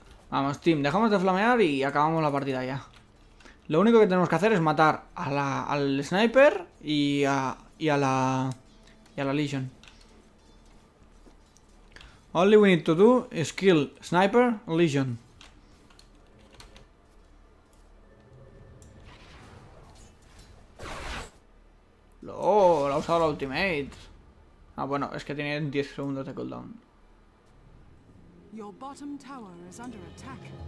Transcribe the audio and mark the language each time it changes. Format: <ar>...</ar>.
<es>Vamos, team, dejamos de flamear y acabamos la partida ya. Lo único que tenemos que hacer es matar al sniper y a la Legion.</es> <en>All we need to do is kill sniper Legion.</en> <es>Lo ha usado la ultimate. Ah, bueno, es que tiene 10 segundos de cooldown.</es> <en>Your bottom tower is under attack.</en>